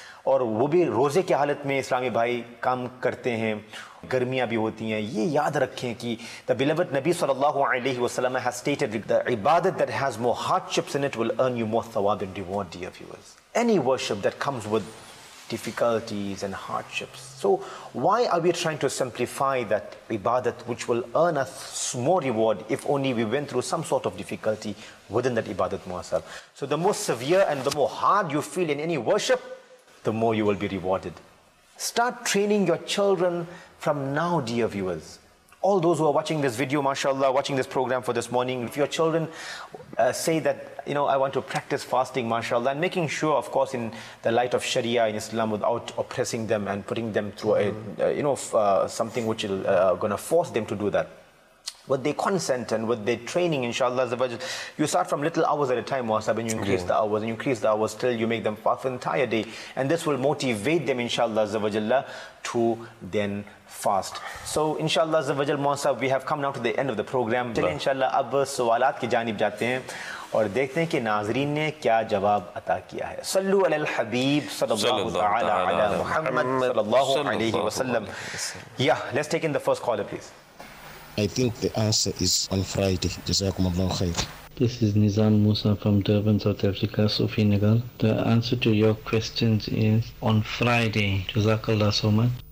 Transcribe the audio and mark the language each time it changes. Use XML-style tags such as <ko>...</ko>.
<ur>اور وہ بھی روزے کی حالت میں اسلامی بھائی کام کرتے ہیں گرمیاں بھی ہوتی ہیں یہ یاد رکھیں کہ</ur> <en>the beloved نبی صلی اللہ علیہ وسلم has stated the عبادت that has more hardships in it will earn you more ثواب and reward, dear viewers. Any worship that comes with difficulties and hardships. So why are we trying to simplify that عبادت which will earn us more reward if only we went through some sort of difficulty within that عبادت مواصل. So the more severe and the more hard you feel in any worship, the more you will be rewarded. Start training your children from now, dear viewers. All those who are watching this video, mashallah, watching this program for this morning, if your children say that, you know, I want to practice fasting, mashallah, and making sure, of course, in the light of Sharia in Islam, without oppressing them and putting them through something which is going to force them to do that. With their consent and with their training, inshallah, you start from little hours at a time, Mohsab, and you increase the hours, and you increase the hours till you make them fast for the entire day. And this will motivate them, inshallah, to then fast. So, inshallah, Mohsab, we have come now to the end of the program.</en> <ur>Till inshallah, ab sawalat ki janib jate hain. اور دیکھتے ہیں کہ ناظرین نے کیا جواب عطا کیا ہے.</ur> <ar>صلو علی الحبیب صلی اللہ تعالی علی محمد صلی اللہ علیہ وسلم.</ar> <en>Yeah, let's take in the first caller, please. I think the answer is on Friday. Jazakum Allah khair. This is Nizan Musa from Durban, South Africa, Sofinagar. The answer to your questions is on Friday. Jazakallah so much.</en>